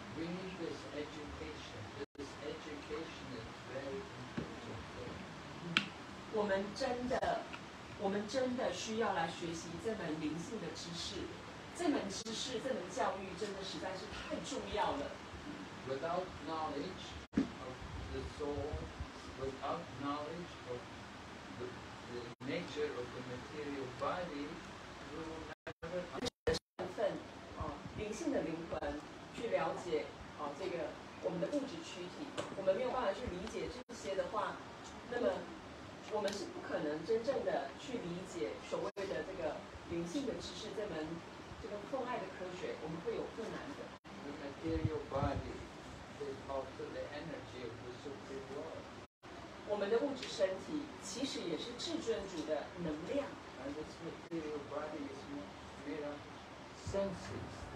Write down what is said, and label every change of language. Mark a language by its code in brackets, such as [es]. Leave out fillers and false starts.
[en] We need this education. This education is very important. [zh] 我们真的需要来学习这门灵性的知识，这门教育真的实在是太重要了。 [en] Without knowledge of the soul, without knowledge of the nature of the material body, we will never [zh] understand 灵性的灵魂，去了解这个我们的物质躯体，我们没有办法去理解这些的话，那么我们是不可能真正的去理解所谓的这个灵性的知识，这个父爱的科学，我们会有困难的。 [en] The material body is also the energy of the Supreme Lord. [zh] 我们的物质身体其实也是至尊主的能量。 [en] And this material body is made of senses.